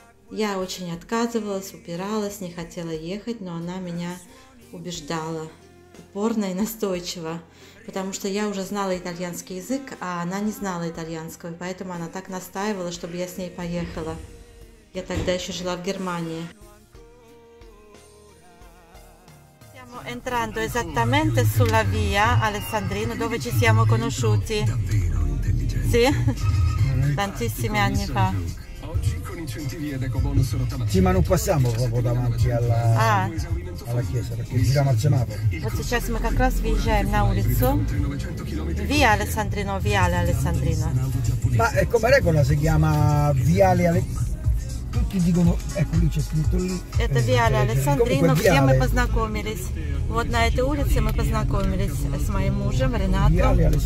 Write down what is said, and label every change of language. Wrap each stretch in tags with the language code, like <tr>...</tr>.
<ru>Я очень отказывалась, упиралась, не хотела ехать, но она меня убеждала упорно и настойчиво, потому что я уже знала итальянский язык, а она не знала итальянского, поэтому она так настаивала, чтобы я с ней поехала. Я тогда еще жила в Германии.</ru> <it>Entrando esattamente sulla via Alessandrino dove ci siamo conosciuti. Davvero intelligente. Sì, tantissimi anni fa. Oggi con incentivi ed ecobonus rottamazione. Sì, ma non passiamo proprio davanti alla chiesa perché giriamo al semaforo.</it> <ru>Сейчас мы как раз въезжаем на улицу.</ru> <it>Via Alessandrino, Viale Alessandrino. Ma è come regola si chiama Viale Alessandrino.</it> <ru>Это Виале Алессандрино, где мы познакомились. Вот на этой улице мы познакомились с моим мужем Ренато.</ru>